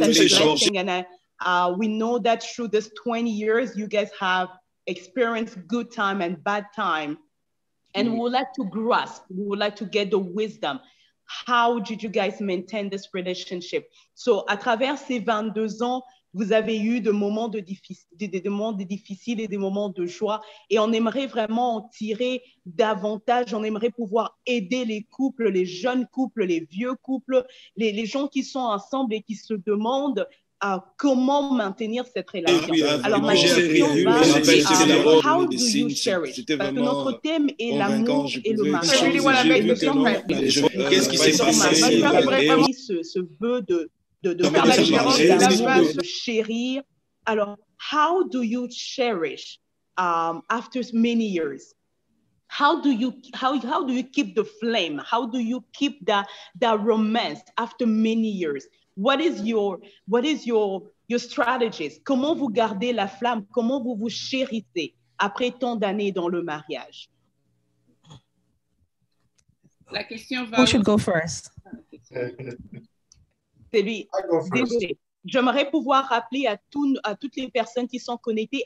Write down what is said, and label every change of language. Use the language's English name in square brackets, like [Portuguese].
[English] We know that through this 20 years, you guys have experienced good time and bad time. And we would like to grasp, we would like to get the wisdom. How did you guys maintain this relationship? [French] So, à travers ces 22 ans, vous avez eu des moments difficiles et des moments de joie. Et on aimerait vraiment en tirer davantage. On aimerait pouvoir aider les couples, les jeunes couples, les vieux couples, les gens qui sont ensemble et qui se demandent comment maintenir cette relation. Alors, ma question [English] how do you share it? [French] Parce que notre thème est l'amour et le mariage. Qu'est-ce qui s'est passé? Ma soeur aimerait vraiment ce vœu de faire la différence et d'avoir se chérir. [English] Alors, how do you cherish after many years? How do you keep the flame? How do you keep that romance after many years? What is your strategies? [French] Comment vous gardez la flamme? Comment vous vous chérissez après tant d'années dans le mariage? La question va. [English] Who should go first? [French] C'est lui. J'aimerais pouvoir rappeler à toutes les personnes qui sont connectées.